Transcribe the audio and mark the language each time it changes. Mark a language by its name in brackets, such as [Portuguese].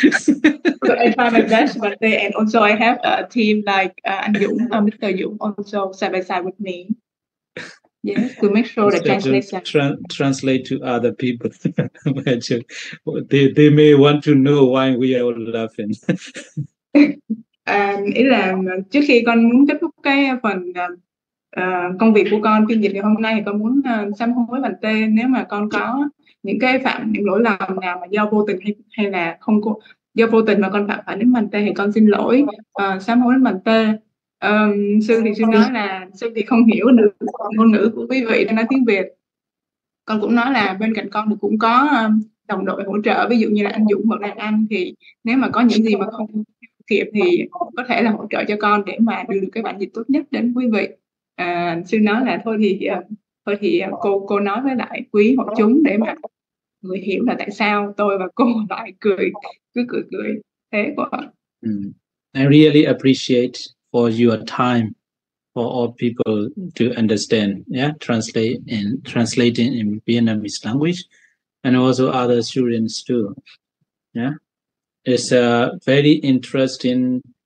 [English] So I try my best, but they, and also I have a team like Mr. Yung also side by side with me. Yes, to make sure the translation. Translate to other people. Imagine. They may want to know why we are all laughing. [Vietnamese] Ý là trước khi con muốn kết thúc cái phần công việc của con phiên dịch ngày hôm nay thì con muốn sám hối với bạn T nếu mà con có những cái phạm những lỗi lầm nào mà do vô tình hay là không do vô tình mà con phạm phải đến bạn T thì con xin lỗi sám hối đến bạn T. Sư thì sư nói là sư thì không hiểu được ngôn ngữ của quý vị đang nói tiếng Việt. Con cũng nói là bên cạnh con thì cũng có đồng đội hỗ trợ, ví dụ như là anh Dũng hoặc là anh, thì nếu mà có những gì mà không kịp thì có thể là hỗ trợ cho con để mà đưa được cái bản dịch tốt nhất đến quý vị. Sư nói là thôi thì cô nói với lại quý hội chúng để mà người hiểu là tại sao tôi và cô lại cười thế quá. [English] I really appreciate for your time for all people to understand, translating in Vietnamese language, and also other students too, It's a very interesting.